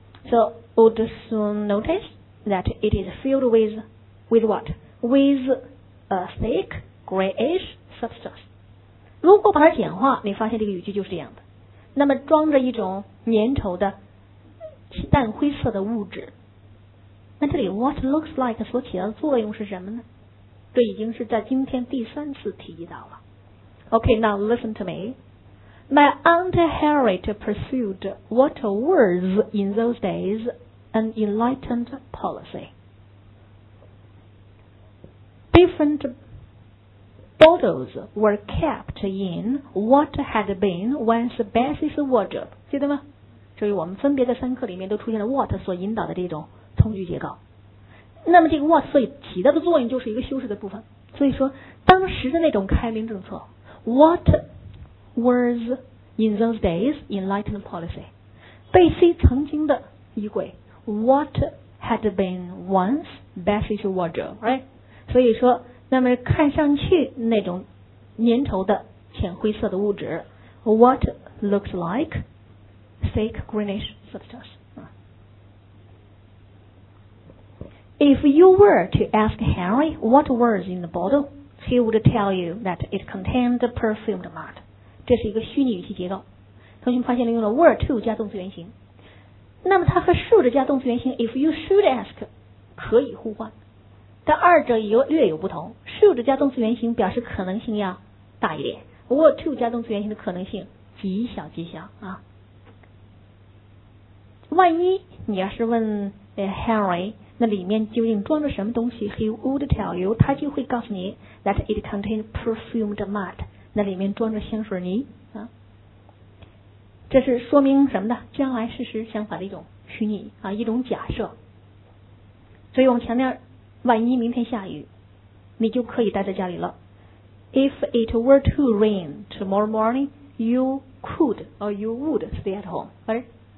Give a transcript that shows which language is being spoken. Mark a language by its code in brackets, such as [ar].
[en] So would soon notice that it is filled with what? With a thick grayish substance。 [zh] 如果把它简化，你发现这个语句就是这样的。那么装着一种粘稠的淡灰色的物质。那这里 [en] what looks like [zh] 所起到的作用是什么呢？这已经是在今天第三次提及到了。 [en] Okay, now listen to me. My Aunt Harriet pursued what was in those days an enlightened policy. Different bottles were kept in what had been once Bessie's wardrobe. [zh] 记得吗？所以我们分别在三课里面都出现了 what 所引导的这种从句结构。那么这个 what 所起到的作用就是一个修饰的部分。所以说当时的那种开明政策 [en] what was in those days enlightened policy， [zh] 贝西曾经的衣柜 [en] what had been once Bessie's wardrobe， [zh] right？所以说那么看上去那种粘稠的浅灰色的物质 [en] what looks like thick greenish substance。 If you were to ask Henry what was in the bottle, he would tell you that it contained perfumed mud. [zh] 这是一个虚拟语气结构。同学们发现了用了 were to 加动词原形。那么它和 should 加动词原形 [en] if you should ask [zh] 可以互换。但二者有略有不同。should 加动词原形表示可能性要大一点。 were to 加动词原形的可能性极小极小啊。万一你要是问Henry,那里面究竟装着什么东西 ？ [en] He would tell you， [zh] 他就会告诉你 [en] that it contained perfumed mud， [zh] 那里面装着香水泥啊。这是说明什么的？将来事实相反的一种虚拟啊，一种假设。所以我们强调，万一明天下雨，你就可以待在家里了。 [en] If it were to rain tomorrow morning, you could or you would stay at home， [zh] 反正